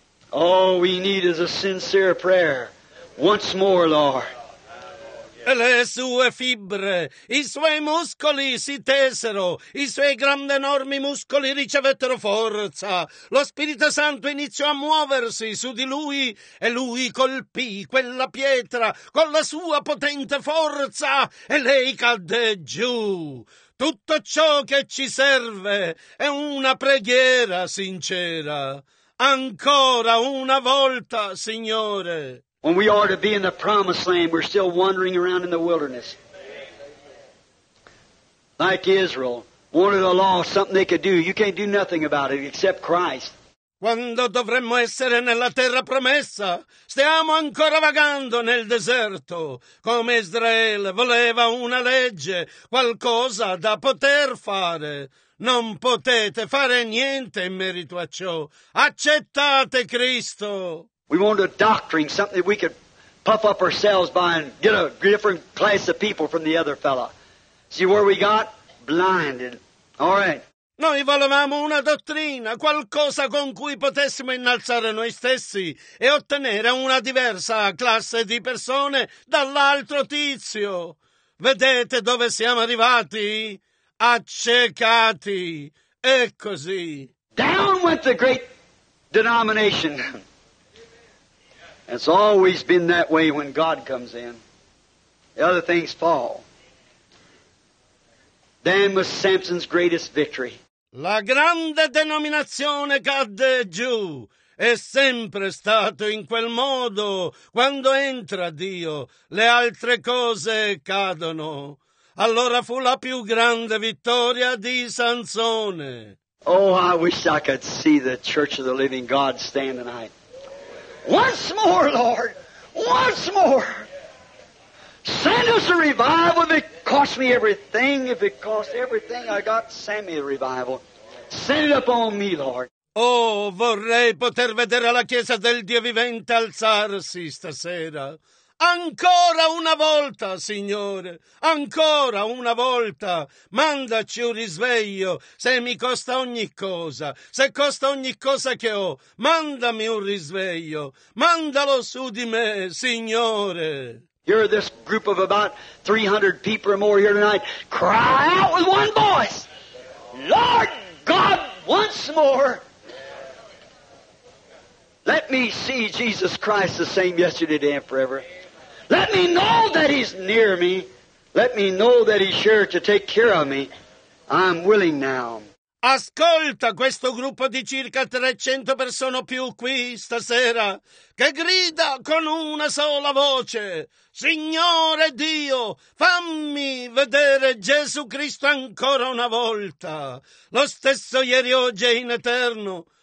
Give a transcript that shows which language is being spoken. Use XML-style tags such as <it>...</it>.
<en>All we need is a sincere prayer. Once more, Lord.</en> <it>E le sue fibre, i suoi muscoli si tesero, i suoi grandi enormi muscoli ricevettero forza. Lo Spirito Santo iniziò a muoversi su di lui e lui colpì quella pietra con la sua potente forza e lei cadde giù. Tutto ciò che ci serve è una preghiera sincera. Ancora una volta, Signore.</it> <en>When we are to be in the promised land, we're still wandering around in the wilderness. Like Israel, wanted a law, something they could do. You can't do nothing about it except Christ.</en> <it>Quando dovremmo essere nella terra promessa, stiamo ancora vagando nel deserto. Come Israele voleva una legge, qualcosa da poter fare. Non potete fare niente in merito a ciò. Accettate Cristo.</it> <en>We wanted a doctrine, something that we could puff up ourselves by and get a different class of people from the other fella. See where we got? Blinded. All right.</en> <it>Noi volevamo una dottrina, qualcosa con cui potessimo innalzare noi stessi e ottenere una diversa classe di persone dall'altro tizio. Vedete dove siamo arrivati? Accecati. E così.</it> <en>Down went the great denomination. It's always been that way when God comes in. The other things fall. Then was Samson's greatest victory.</en> <it>La grande denominazione cadde giù. È sempre stato in quel modo. Quando entra Dio, le altre cose cadono. Allora fu la più grande vittoria di Sansone.</it> <en>Oh, I wish I could see the Church of the Living God stand tonight. Once more, Lord, once more. Send us a revival. If it cost me everything, if it cost everything I got, send me a revival. Send it upon me, Lord.</en> <it>Oh, vorrei poter vedere la Chiesa del Dio vivente alzarsi stasera. Ancora una volta, Signore, ancora una volta, mandaci un risveglio, se mi costa ogni cosa, se costa ogni cosa che ho, mandami un risveglio, mandalo su di me, Signore.</it> <en>You're this group of about 300 people or more here tonight, cry out with one voice, Lord God, once more. Let me see Jesus Christ the same yesterday, today, and forever. Let me know that he's near me. Let me know that he's sure to take care of me. I'm willing now.</en> <it>Ascolta questo gruppo di circa 300 persone o più qui stasera che grida con una sola voce: Signore Dio, fammi vedere Gesù Cristo ancora una volta, lo stesso ieri, oggi e in eterno.</it>